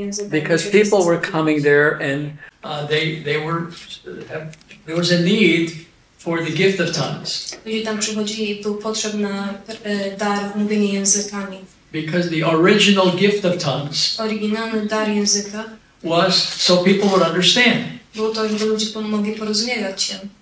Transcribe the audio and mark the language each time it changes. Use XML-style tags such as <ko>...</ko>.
<en>Because people were coming there and there was a need for the gift of tongues.</en> <pl>Ludzie tam przychodzili, był potrzebny dar w mówieniu językami.</pl> <en>Because the original gift of tongues,</en> <pl>oryginalny dar języka,</pl> <en>was so people would understand.</en> <pl>Było to, żeby ludzie mogli porozumiewać się.</pl>